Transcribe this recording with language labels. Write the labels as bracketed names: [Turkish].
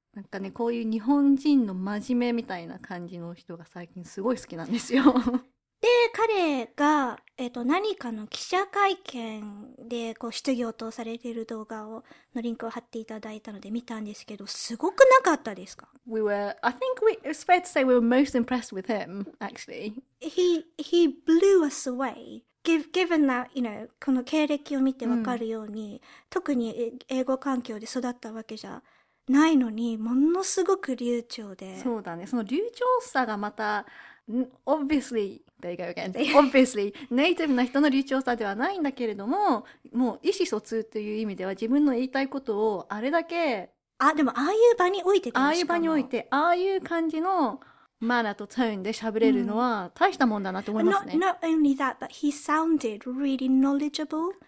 [Japanese] なんかね、こういう日本人の真面目みたいな感じの人が最近すごい好きなんですよ。で、彼が、何かの記者会見で、こう、質疑応答されている動画を、のリンクを貼っていただいたので見たんですけど、すごくなかったですか？ [English] It's fair to say we were most impressed with him, actually. He blew us away. Given that, you know, [Japanese] この経歴を見てわかるように、特に英語環境で育ったわけじゃないのに、ものすごく流暢で。そうだね。その流暢さがまた、obviously、 [English] There you go again. [Japanese] Obviously, ネイティブな人の流暢さではないんだけれども、もう意思疎通という意味では自分の言いたいことをあれだけ、あ、でもああいう場においてああいう場においてああいう感じのマナーとトーンで喋れるのは大したもんだなと思いますね。 [English] Not only that, but he sounded really knowledgeable.